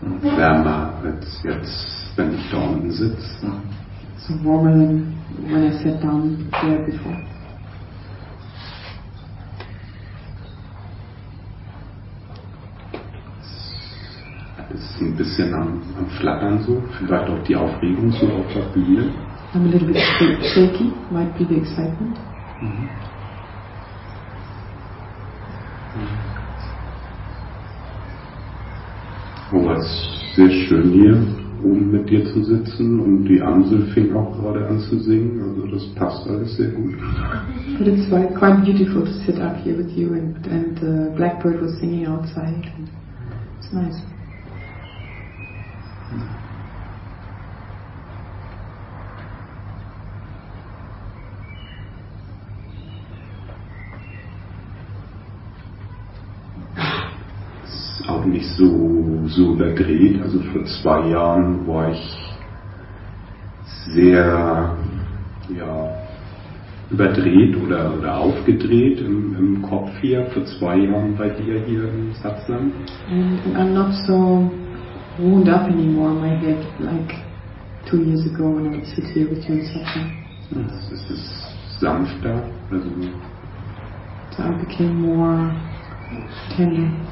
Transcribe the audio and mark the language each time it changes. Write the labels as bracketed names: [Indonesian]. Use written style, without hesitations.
[German] Wärmer als jetzt, wenn ich da unten sitze. [English] So warmer than when I sat down there before. [German] Ein bisschen am Flattern so, vielleicht auch die Aufregung so auf der Bühne. [English] I'm a little bit shaky, might be the excitement. [German] Oh, war es sehr schön hier oben mit dir zu sitzen und die Amsel fing auch gerade an zu singen, also das passt alles sehr gut. [English] But it's quite beautiful to sit up here with you and the blackbird was singing outside. It's nice. [German] Auch nicht so überdreht. Also vor zwei Jahren war ich sehr überdreht oder aufgedreht im Kopf hier. Vor zwei Jahren bei dir hier im Satsang. [English] And I'm not so wound up anymore in my head like 2 years ago when I would sit here with you in Satsang. [German] Es ist sanfter. Also [English] so I became more tender.